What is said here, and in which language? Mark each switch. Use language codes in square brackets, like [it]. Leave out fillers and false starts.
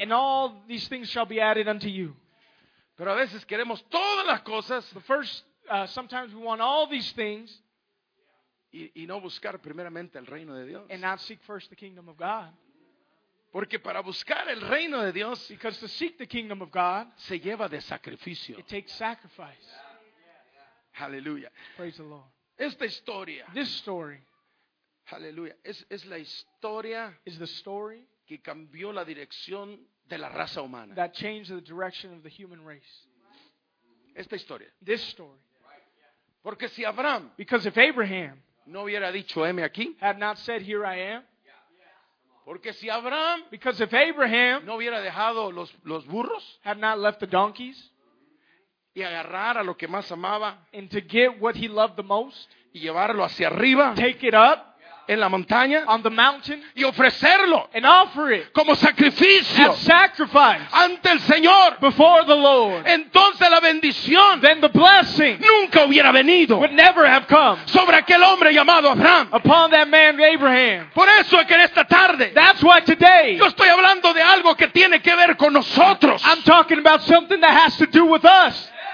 [en] And all these things shall be added unto you. [es] Pero a veces queremos todas las cosas. [en] But first, sometimes we want all these things. [es] Y no buscar primeramente el reino de Dios. [en] And not seek first the kingdom of God. [es] Porque para buscar el reino de Dios, [en] because to seek the kingdom of God, [es] se lleva de sacrificio. [en] It takes sacrifice. Hallelujah. Praise the Lord. [es] Esta historia. [en] This story. [es] Hallelujah. Es la historia. [en] Is the story [es] que cambió la dirección de la raza humana. [en] That changed the direction of the human race. [es] Esta historia. [en] This story. [es] Porque si Abraham, [en] because if Abraham [es] no hubiera dicho heme aquí, [en] had not said here I am. [es] Porque si Abraham, [en] because if Abraham [es] no hubiera dejado los burros, [en] had not left the donkeys, [es] y agarrar a lo que más amaba, [en] and to get what he loved the most, [es] y llevarlo hacia arriba, [en] take it up, [es] en la montaña, [en] on the mountain, [es] y ofrecerlo, [en] and offer it, [es] como sacrificio, [en] as sacrifice, [es] ante el Señor, [en] before the Lord, [es] entonces la bendición, [en] then the blessing, [es] nunca hubiera venido, [en] would never have come, [es] sobre aquel hombre llamado Abraham, [en] upon that man Abraham. [es] Por eso es que en esta tarde, [en] that's why today, [es] yo estoy hablando de algo que tiene que ver con nosotros. [en] I'm talking about something that has to do with us.